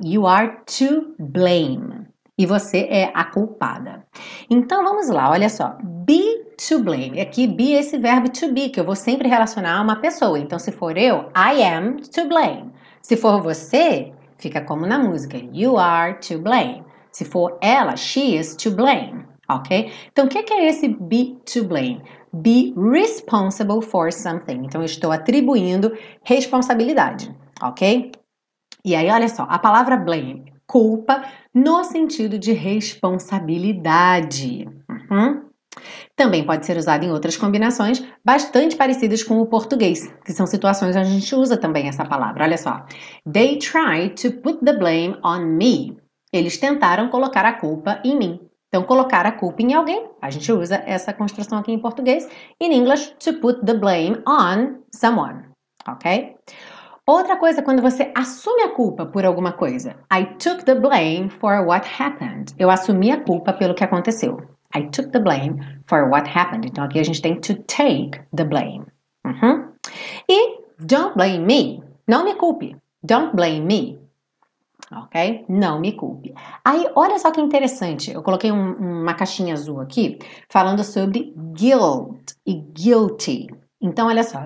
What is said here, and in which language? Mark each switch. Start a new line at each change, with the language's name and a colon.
English: You are to blame.
Portuguese: E você é a culpada. Então vamos lá, olha só.
English: Be to blame.
Portuguese: Aqui, be é esse verbo to be, que eu vou sempre relacionar a uma pessoa. Então, se for eu,
English: I am to blame.
Portuguese: Se for você, fica como na música.
English: You are to blame.
Portuguese: Se for ela,
English: she is to blame.
Portuguese: Ok? Então, o que é esse be to blame?
English: Be responsible for something.
Portuguese: Então, eu estou atribuindo responsabilidade. Ok? E aí, olha só, a palavra blame. Culpa no sentido de responsabilidade. Também pode ser usado em outras combinações bastante parecidas com o português, que são situações onde a gente usa também essa palavra. Olha só.
English: They tried to put the blame on me.
Portuguese: Eles tentaram colocar a culpa em mim. Então, colocar a culpa em alguém, a gente usa essa construção aqui em português.
English: In English, to put the blame on someone.
Portuguese: Ok? Outra coisa, quando você assume a culpa por alguma coisa.
English: I took the blame for what happened.
Portuguese: Eu assumi a culpa pelo que aconteceu.
English: I took the blame for what happened.
Portuguese: Então aqui a gente tem
English: to take the blame.
Portuguese: E
English: don't blame me.
Portuguese: Não me culpe.
English: Don't blame me.
Portuguese: Ok? Não me culpe. Aí olha só que interessante. Eu coloquei uma caixinha azul aqui falando sobre guilt e guilty. Então olha só.